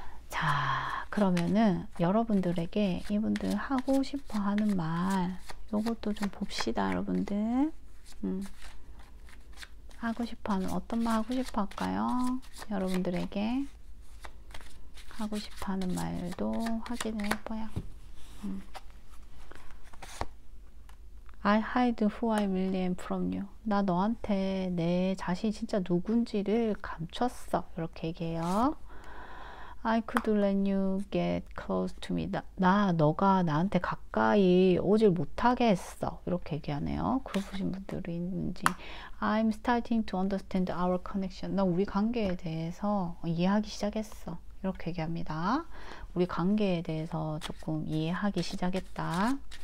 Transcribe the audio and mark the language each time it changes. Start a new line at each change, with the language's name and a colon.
Korean: 자, 그러면은 여러분들에게 이분들 하고 싶어 하는 말, 요것도 좀 봅시다, 여러분들. 하고 싶어 하는, 어떤 말 하고 싶어 할까요? 여러분들에게. 하고 싶어 하는 말도 확인을 해봐요.
English: I hide who I really am from you.
Korean: 나 너한테 내 자신이 진짜 누군지를 감췄어. 이렇게 얘기해요.
English: I could let you get close to me.
Korean: 나 너가 나한테 가까이 오질 못하게 했어. 이렇게 얘기하네요. 그러신 분들이 있는지.
English: I'm starting to understand our connection.
Korean: 나 우리 관계에 대해서 이해하기 시작했어. 이렇게 얘기합니다. 우리 관계에 대해서 조금 이해하기 시작했다.